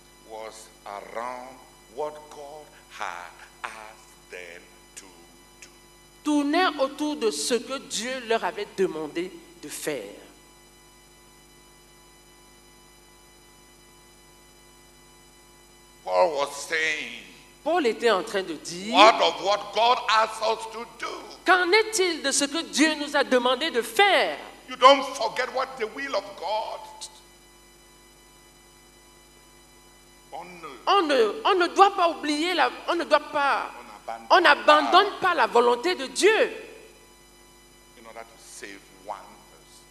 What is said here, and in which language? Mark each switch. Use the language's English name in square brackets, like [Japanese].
[English] Was around what God had asked them to do. [French] Tournait autour de ce que Dieu leur avait demandé de faire. [English] Paul was saying. [French] Paul était en train de dire, [English] what of what God asked us to do? [French] Qu'en est-il de ce que Dieu nous a demandé de faire? [English] You don't forget what the will of God. [French] On n'abandonne pas la volonté de Dieu [English] in order to save one person.